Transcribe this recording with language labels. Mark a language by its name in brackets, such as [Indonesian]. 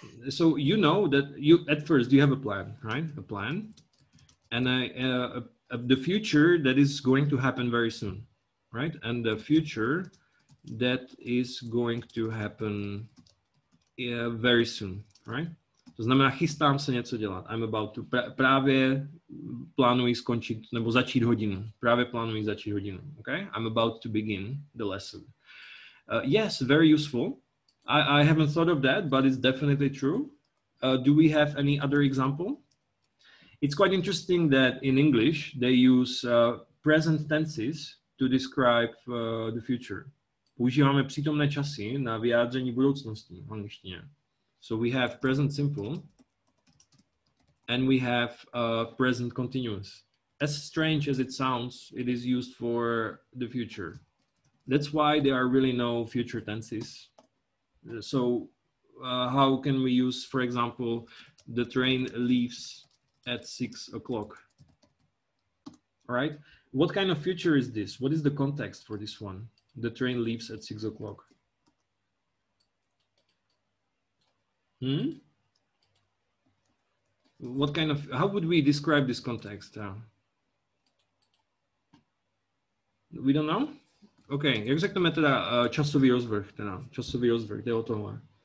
[English] So you know that you at first you have a plan, right? A plan, and the future that is going to happen very soon. Right, and the future that is going to happen very soon, right? [Czech] To znamená, chystám se něco dělat. [English] I'm about to. [Czech] Právě plánuji skončit nebo začít hodinu. Právě plánuji začít hodinu. [English] Okay, I'm about to begin the lesson. Yes, very useful. I haven't thought of that, but it's definitely true. Do we have any other example? It's quite interesting that in English they use present tenses to describe the future. [Czech] Používáme přítomné časy na vyjádření budoucnosti v angličtině. [English] So we have present simple and we have present continuous. As strange as it sounds, it is used for the future. That's why there are really no future tenses. So how can we use, for example, the train leaves at 6 o'clock, right? What kind of future is this? What is the context for this one? The train leaves at 6 o'clock. What kind of, how would we describe this context? We don't know? Okay, exactly [Czech] teda časový rozvrh, teda časový rozvrh, jde o tohle.